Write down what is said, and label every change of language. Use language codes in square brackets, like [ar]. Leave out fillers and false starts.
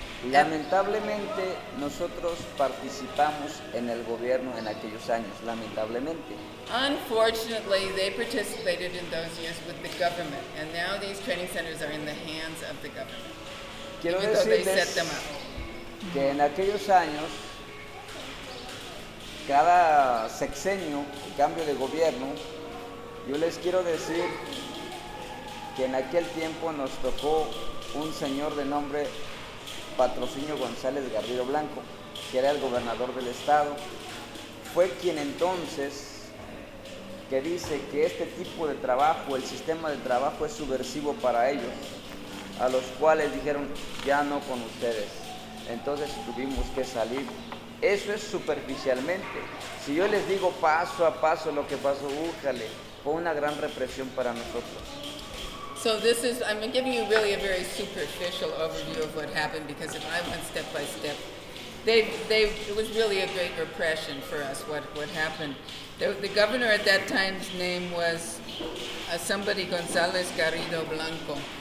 [es] Lamentablemente, nosotros participamos en el gobierno en aquellos años. Lamentablemente. [en] Unfortunately, they participated in those years with the government. And now these training centers are in the hands of the government. [es] Quiero decirles que en aquellos años, cada sexenio, cambio de gobierno, yo les quiero decir que en aquel tiempo nos tocó un señor de nombre Patrocinio González Garrido Blanco, que era el gobernador del estado. Fue quien entonces que dice que este tipo de trabajo, el sistema de trabajo es subversivo para ellos, a los cuales dijeron, ya no con ustedes. Entonces tuvimos que salir. Eso es superficialmente. Si yo les digo paso a paso lo que pasó, újale, fue una gran represión para nosotros. [en] So this is, I'm giving you really a very superficial overview of what happened, because if I went step by step, it was really a great repression for us, what happened. The governor at that time's name was somebody González Garrido Blanco.